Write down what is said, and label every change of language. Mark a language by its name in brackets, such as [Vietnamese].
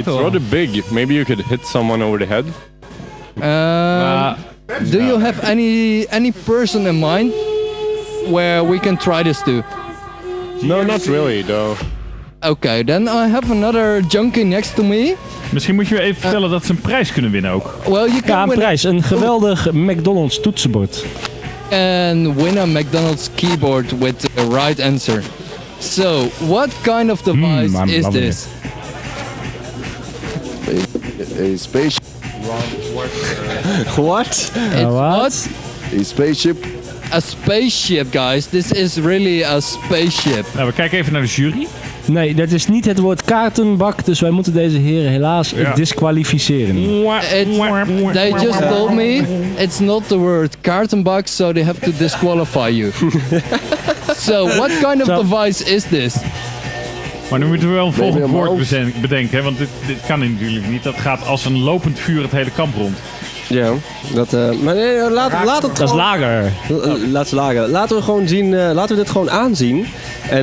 [English] It's rather big. Maybe you could hit someone over the head. Do you have any person in mind where we can try this to? No, not really, though. Okay, then I have another junkie next to me. [Dutch] Misschien moet je even vertellen dat ze een prijs kunnen winnen ook. [English] Well, you can [Dutch] ja, een prijs. Een geweldig McDonald's toetsenbord. [English] And win a McDonald's keyboard with the right answer. So, what kind of device is this? A spaceship. What? What? A spaceship. A spaceship, guys. This is really a spaceship. [Dutch] Nou, we kijken even naar de jury. Nee, dat is niet het woord kaartenbak, dus wij moeten deze heren helaas disqualificeren. [English] They just told me it's not the word kaartenbak, so they have to disqualify you. So, what kind of device is this? [Dutch] Maar nu moeten we wel een volgend woord bedenken, want dit kan natuurlijk niet. Dat gaat als een lopend vuur het hele kamp rond. Ja, dat, maar nee, laat het dat is lager. Laat het lager. Laten we gewoon zien, laten we dit gewoon aanzien. En,